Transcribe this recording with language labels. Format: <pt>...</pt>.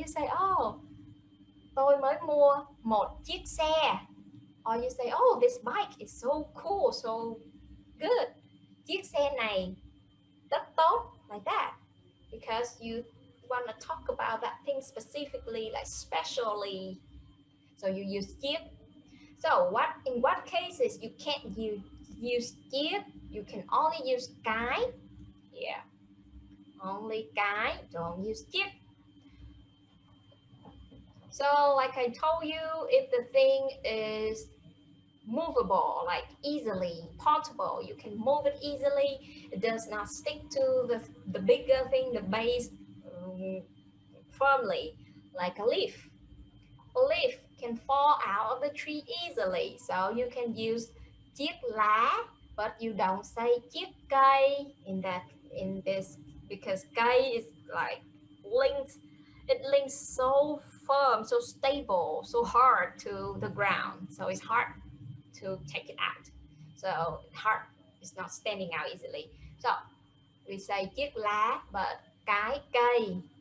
<en>You say, oh,</en> <vi>tôi mới mua một chiếc xe.</vi> <en>Or you say, oh, this bike is so cool, so good.</en> <vi>Chiếc xe này rất tốt,</vi> <en>like that. Because you want to talk about that thing specifically, like specially. So you use chiếc. So what, in what cases you can't use chiếc? You can only use cái. Yeah. only cái, don't use chiếc. So like I told you, if the thing is movable, like easily portable, you can move it easily, it does not stick to the bigger thing, the base firmly, like a leaf. A leaf can fall out of the tree easily, so you can use chiếc lá, but you don't say chiếc cây in that, in this, because cây is like linked, it links so firm, so stable, so hard to the ground, so it's hard to take it out, so hard, it's not standing out easily. So we say chiếc lá, but cái cây.</en>